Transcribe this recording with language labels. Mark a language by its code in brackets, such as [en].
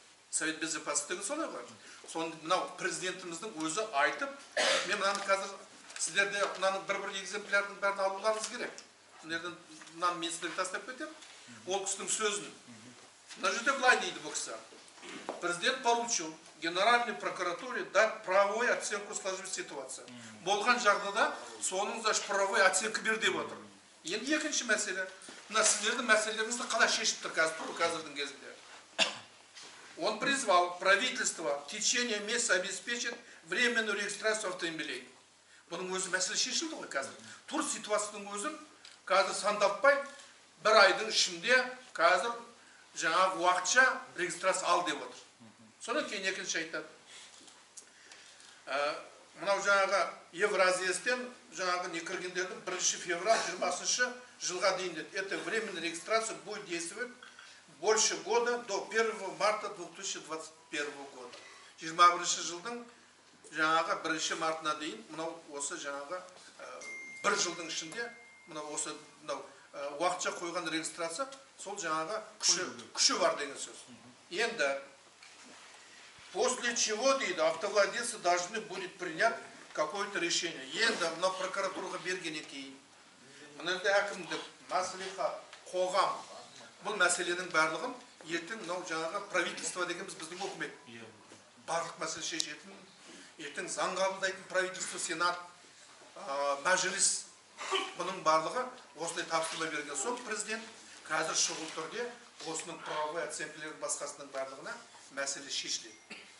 [kk] Совет безопасности солай ғой. Сонда мынау президентіміздің өзі айтып, мен мынаны қазір сіздерде мынаның бір-бір экземплярын бәрін алуларыңыз керек. Сіздерден мынаны мен сіздерге тастап кетемін. Ол кісінің сөзін. Мына жерде былай дейді бұл кісі. [ru] Президент получил генеральной прокуратуре дать правовую оценку сложившейся ситуации. [kk] Болған жағдайда соның да [ru] правовую оценку [kk] бер деп отыр. Енді екінші мәселе. Мына сіздердің мәселелеріңізді қалай шешіп тұр қазірдің кезінде? [ru] Он призвал правительство в течение месяца обеспечить временную регистрацию автомобилей. [kk] Бұның өзі мәселе шешілді ғой қазір. Тур ситуацияның өзін қазір сандатпай бір айдың ішінде қазір жаңа уақытша регистрация ал деп отыр. Содан кейін екінші айтады. Мынау жаңағы Евразиястен жаңағы не кіргендердің 1 февраль 20 жылға дейін деді. [ru] Это временная регистрация будет действовать больше года до 1 марта 2021 года. [kk] 21 жылдың жаңағы 1 мартына дейін мынау осы жаңағы бір жылдың ішінде мынау осы мынау уақытша қойған регистрация сол жаңағы күші бар деген сөз. [ru] Енді после чего дейді автовладельцы должны будет принять какое-то решение. [kk] Енді мынау прокуратураға бергеннен кейін мына жерде әкімдік, мәслихат, қоғам бұл мәселенің барлығын ертең мынау жаңағы правительство дегеніміз біздің үкімет барлық мәселе шешетін ертең заң қабылдайтын правительство сенат мәжіліс бұның барлығы осындай тапсырма берген соң президент қазір шұғыл түрде осының правовой оценкілері басқасының барлығына мәселе шешіледі.